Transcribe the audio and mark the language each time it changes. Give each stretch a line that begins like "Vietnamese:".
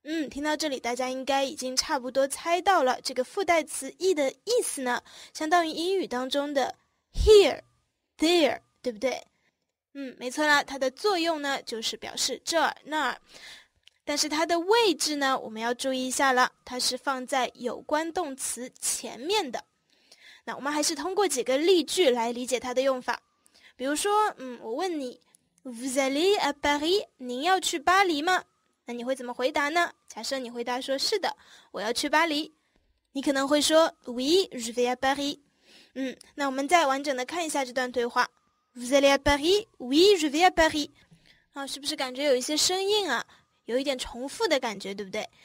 Chinese: 听到这里大家应该已经差不多猜到了，这个副代词 E 的意思呢，相当于英语当中的 here, there, 对不对？没错啦，它的作用呢就是表示这儿那儿。但是它的位置呢，我们要注意一下了，它是放在有关动词前面的。那我们还是通过几个例句来理解它的用法。比如说我问你
French: Vous allez à Paris?
Chinese: 您要去巴黎吗？那你会怎么回答呢？假设你回答说是的，我要去巴黎，你可能会说
French: Oui, je vais à Paris.
Chinese: 那我们再完整的看一下这段对话。
French: Vous allez à Paris? Oui, je vais à Paris.
Chinese: 是不是感觉有一些生硬啊？有一点重复的感觉，对不对？